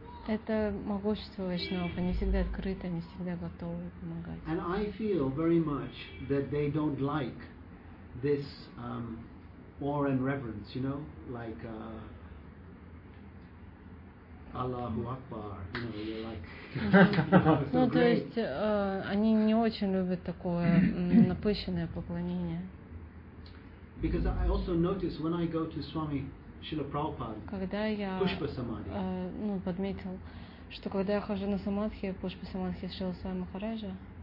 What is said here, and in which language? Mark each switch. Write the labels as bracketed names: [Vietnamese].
[Russian] Это могущество вайшнавов, они всегда открыты, они всегда готовы помогать. [English] And I feel very much that they don't like this awe and reverence, you know, like Аллаху Акбар, you know, you're like. [Russian] Ну то есть они не очень любят такое напыщенное поклонение. [English] Because I also notice when I go to Swami Шрила Прабхупада. [Russian] Когда я подметил, что когда я хожу на самадхи, Пушпа Самадхи Шрила Свами Махараджа.